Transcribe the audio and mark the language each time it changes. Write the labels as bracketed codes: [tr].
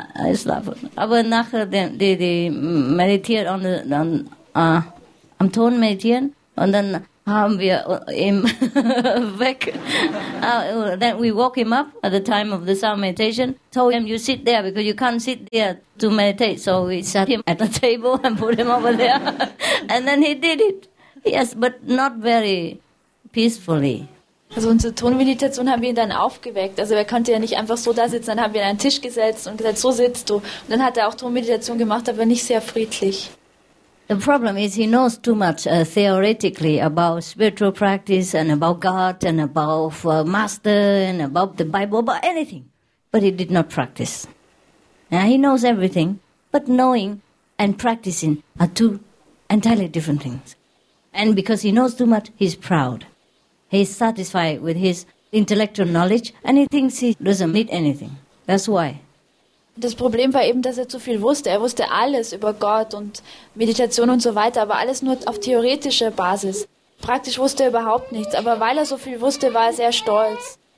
[de] Ich schlafe. Aber nachher, die meditiert und dann am Ton meditieren und dann haben wir ihn weg. [en] Then we woke him up at the time of the sound meditation, told him, you sit there because you can't sit there to meditate. So we sat him at the table and put him over there. And then he did it. Yes, but not very peacefully. [de] Also unsere Tonmeditation haben wir ihn dann aufgeweckt. Also er konnte ja nicht einfach so da sitzen. Dann haben wir ihn an einen Tisch gesetzt und gesagt, so sitzt du. Und dann hat er auch Tonmeditation gemacht, aber nicht sehr friedlich. [en] The problem is he knows too much theoretically about spiritual practice and about God and about master and about the Bible, about anything. But he did not practice. Now he knows everything, but knowing and practicing are two entirely different things. And because he knows too much, he's proud. He's satisfied with his intellectual knowledge and he thinks he doesn't need anything. That's why. [de] Das Problem war eben, dass er zu viel wusste. Er wusste alles über Gott und Meditation und so weiter, aber alles nur auf theoretischer Basis. Praktisch wusste er überhaupt nichts, aber weil er so viel wusste, war er sehr stolz.